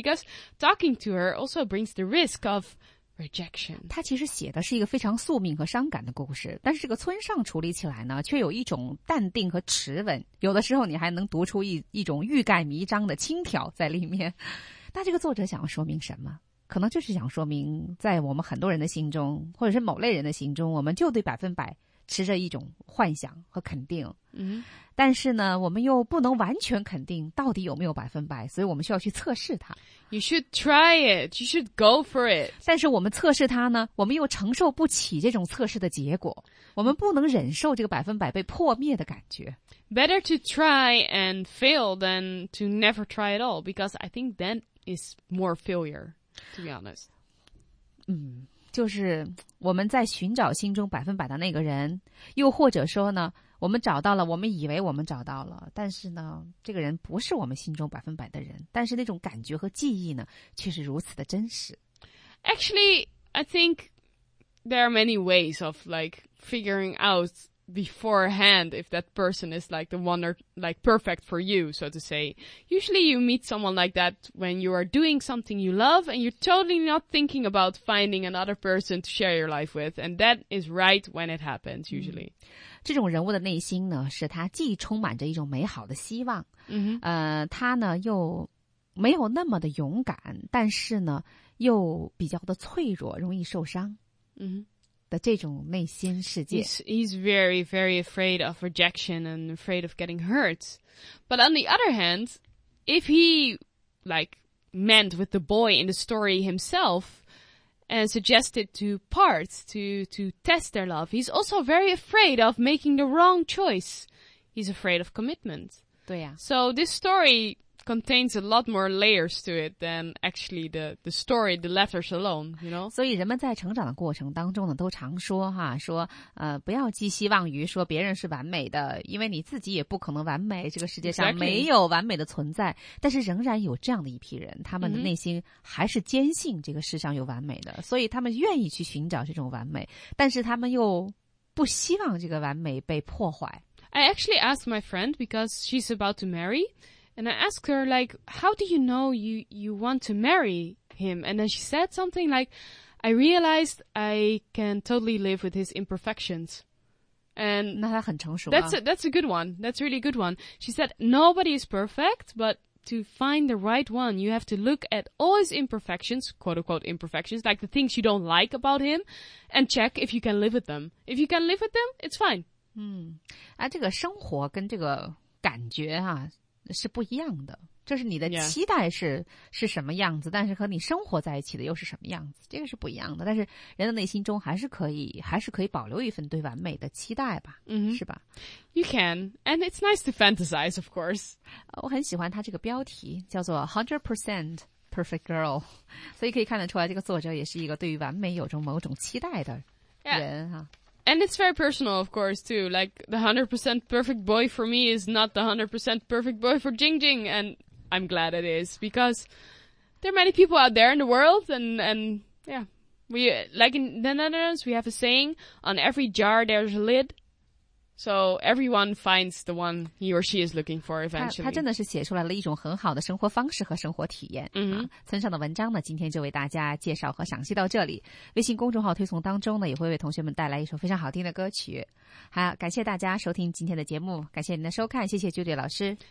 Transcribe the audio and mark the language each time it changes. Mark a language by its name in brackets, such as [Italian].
[English] Because talking to her also brings the risk of rejection. [Chinese] 他其实写的是一个非常宿命和伤感的故事，但是这个村上处理起来呢，却有一种淡定和持稳，有的时候你还能读出一种欲盖弥彰的轻佻在里面。那这个作者想要说明什么？可能就是想说明在我们很多人的心中，或者是某类人的心中，我们就对百分百持着一种幻想和肯定，但是呢，我们又不能完全肯定到底有没有百分百，所以我们需要去测试它。 [English] You should try it. You should go for it. [Chinese] 但是我们测试它呢，我们又承受不起这种测试的结果，我们不能忍受这个百分百被破灭的感觉。 [English] Better to try and fail than to never try at all, because I think that is more failure, to be honest. [Chinese] 就是我们在寻找心中百分百的那个人，又或者说呢，我们找到了，我们以为我们找到了，但是呢，这个人不是我们心中百分百的人，但是那种感觉和记忆呢，却是如此的真实。 [English] Actually, I think there are many ways of like figuring out beforehand if that person is like the one or like perfect for you, so to say. Usually you meet someone like that when you are doing something you love and you're totally not thinking about finding another person to share your life with, and that is right when it happens, usually. [Chinese] 这种人物的内心呢，是他既充满着一种美好的希望，他呢又没有那么的勇敢，但是呢又比较的脆弱，容易受伤。的这种内心世界。 [English] He's very, very afraid of rejection and afraid of getting hurt. But on the other hand, if he, like, meant with the boy in the story himself and suggested to part, to test their love, he's also very afraid of making the wrong choice. He's afraid of commitment. [Chinese] 对呀。 [English] So this story contains a lot more layers to it than actually the story, the letters alone, you know? [Chinese] 所以人们在成长的过程当中呢，都常说哈，说不要寄希望于说别人是完美的，因为你自己也不可能完美，这个世界上没有完美的存在。 [English] Exactly. [Chinese] 但是仍然有这样的一批人，他们的内心还是坚信这个世上有完美的，所以他们愿意去寻找这种完美，但是他们又不希望这个完美被破坏。 [English] I actually asked my friend, because she's about to marry,And I asked her, like, how do you know you want to marry him? And then she said something like, I realized I can totally live with his imperfections. And [Chinese] 那他很成熟啊。 [English] That's a good one. That's really a good one. She said, nobody is perfect, but to find the right one, you have to look at all his imperfections, quote-unquote imperfections, like the things you don't like about him, and check if you can live with them. If you can live with them, it's fine. [Chinese] 这个生活跟这个感觉啊是不一样的，这是你的期待是、 [English] yeah. [Chinese] 是什么样子，但是和你生活在一起的又是什么样子，这个是不一样的，但是人的内心中还是可以保留一份对完美的期待吧、是吧。 [English] You can, and it's nice to fantasize, of course. [Chinese] 我很喜欢他这个标题叫做 [English] 100% Perfect Girl, [Chinese] 所以可以看得出来这个作者也是一个对于完美有着某种期待的人、 [English] yeah. [Chinese] 啊。 [English] And it's very personal, of course, too. Like, the 100% perfect boy for me is not the 100% perfect boy for Jing Jing. And I'm glad it is, because there are many people out there in the world. And yeah, we, like in the Netherlands, we have a saying, on every jar there's a lid. So everyone finds the one he or she is looking for eventually. [Chinese] 他真的是写出来了一种很好的生活方式和生活体验。村上的文章呢，今天就为大家介绍和赏析到这里。微信公众号推送当中呢，也会为同学们带来一首非常好听的歌曲。好，感谢大家收听今天的节目，感谢您的收看，谢谢Judy老师。